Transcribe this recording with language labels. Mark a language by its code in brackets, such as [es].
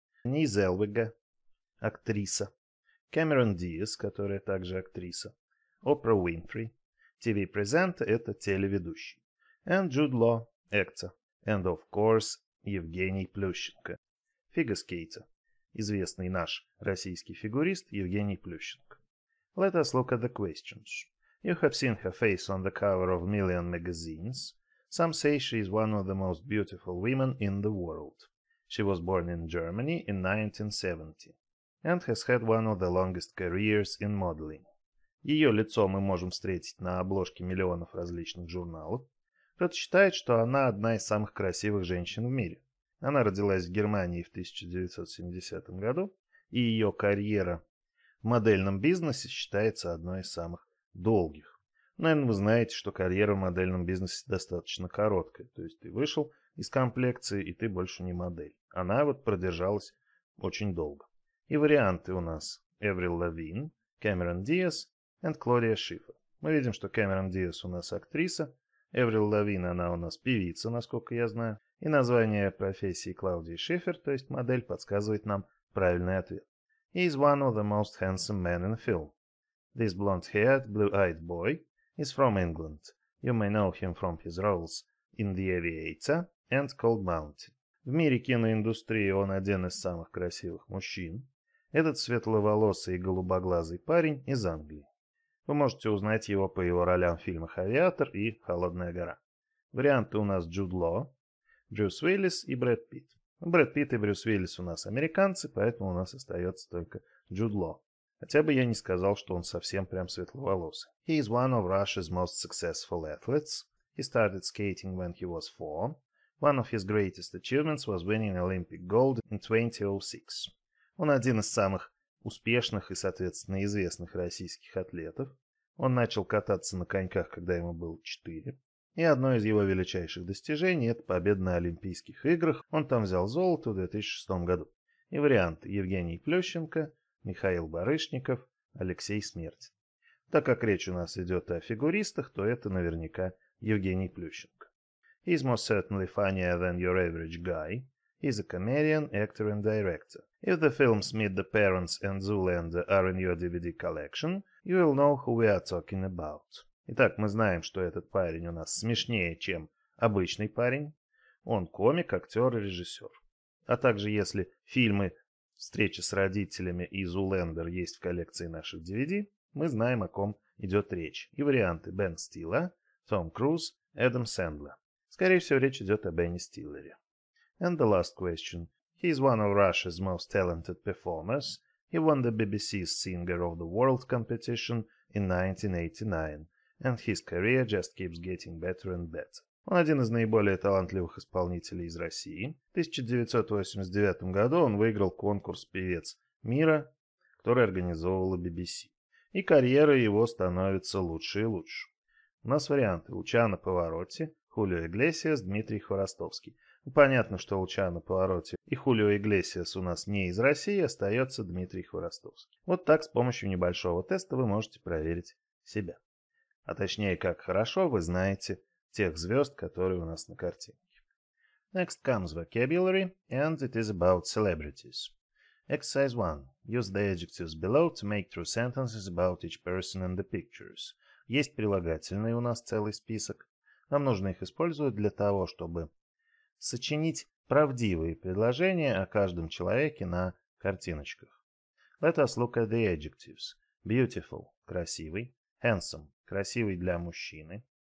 [ru] Ни Зелвега, актриса. Кэмерон Диас, которая также актриса. Опра Уинфри, TV-презентер, это телеведущий. And Джуд Ло, актер. [en] And of course, [ru] Евгений Плющенко, фигурскейтер. Известный наш российский фигурист Евгений Плющенко. [en] Let us look at the questions. You have seen her face on the cover of million magazines. Some say she is one of the most beautiful women in the world. She was born in Germany in 1970 and has had one of the longest careers in modeling. [ru] Ее лицо мы можем встретить на обложке миллионов различных журналов. Кто-то считает, что она одна из самых красивых женщин в мире. Она родилась в Германии в 1970 году, и ее карьера в модельном бизнесе считается одной из самых долгих. Наверное, вы знаете, что карьера в модельном бизнесе достаточно короткая. То есть ты вышел из комплекции, и ты больше не модель. Она вот продержалась очень долго. И варианты у нас. Эврил Лавин, Кэмерон Диас и Клодия Шифер. Мы видим, что Кэмерон Диас у нас актриса. Эврил Лавин, она у нас певица, насколько я знаю. И название профессии Клаудии Шифер, то есть модель, подсказывает нам правильный ответ. [en] He is one of the most handsome men in the film. This blonde-haired, blue-eyed boy is from England. You may know him from his roles in The Aviator and Cold Mountain. [ru] В мире киноиндустрии он один из самых красивых мужчин. Этот светловолосый и голубоглазый парень из Англии. Вы можете узнать его по его ролям в фильмах «Авиатор» и «Холодная гора». Варианты у нас Джуд Ло, Брюс Уиллис и Брэд Питт. Брэд Питт и Брюс Уиллис у нас американцы, поэтому у нас остается только Джуд Ло. Хотя бы я не сказал, что он совсем прям светловолосый. [en] He is one of Russia's most successful athletes. He started skating when he was 4. One of his greatest achievements was winning Olympic gold in 2006. [ru] Он один из самых успешных и, соответственно, известных российских атлетов. Он начал кататься на коньках, когда ему было 4. И одно из его величайших достижений – это победа на Олимпийских играх. Он там взял золото в 2006 году. И вариант Евгений Плющенко – Михаил Барышников, Алексей Смерть. Так как речь у нас идет о фигуристах, то это наверняка Евгений Плющенко. [en] He is most certainly funnier than your average guy. He is a comedian, actor and director. If the films Meet the Parents and Zoolander are in your DVD collection, you will know who we are talking about. [ru] Итак, мы знаем, что этот парень у нас смешнее, чем обычный парень. Он комик, актер и режиссер. А также, если фильмы «Встреча с родителями» и «Зулендер» есть в коллекции наших DVD, мы знаем, о ком идет речь. И варианты Бен Стилла, Том Круз, Эдам Сэндлер. Скорее всего, речь идет о Бене Стиллере. [en] And the last question. He is one of Russia's most talented performers. He won the BBC's Singer of the World competition in 1989. And his career just keeps getting better and better. [ru] Он один из наиболее талантливых исполнителей из России. В 1989 году он выиграл конкурс «Певец мира», который организовывала BBC. И карьера его становится лучше и лучше. У нас варианты. Лучано Паваротти, Хулио Иглесиас, Дмитрий Хворостовский. Понятно, что Лучано Паваротти и Хулио Иглесиас у нас не из России, остается Дмитрий Хворостовский. Вот так с помощью небольшого теста вы можете проверить себя. А точнее, как хорошо вы знаете тех звезд, которые у нас на картинке. [en] Next comes vocabulary, and it is about celebrities. Exercise 1. Use the adjectives below to make true sentences about each person and the pictures. [ru] Есть прилагательные у нас целый список. Нам нужно их использовать для того, чтобы сочинить правдивые предложения о каждом человеке на картиночках. [en] Let us look at the adjectives. Beautiful – красивый. Handsome – красивый для мужчины.